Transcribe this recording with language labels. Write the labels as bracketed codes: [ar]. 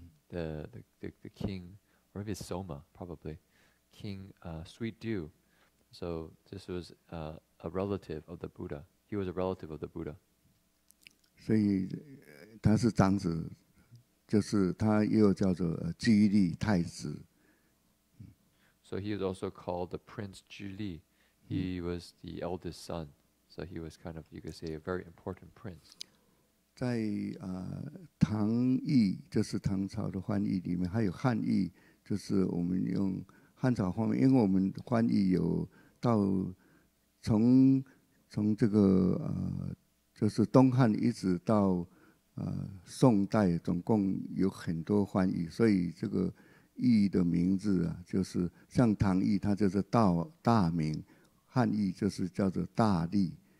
[en] The king, or maybe Soma, probably, King Sweet Dew. So this was a relative of the Buddha. He was a relative of the Buddha. [zh] 所以他是长子，就是他又叫做居利太子。 [en] So he was also called the Prince Ju Li. He was the eldest son. So he was kind of, you could say, a very important prince. [zh] 在唐译，就是唐朝的翻译里面，还有汉译，就是我们用汉朝方面，因为我们翻译有到从这个就是东汉一直到宋代，总共有很多翻译，所以这个译的名字啊，就是像唐译，它就是大明，汉译就是叫做大力。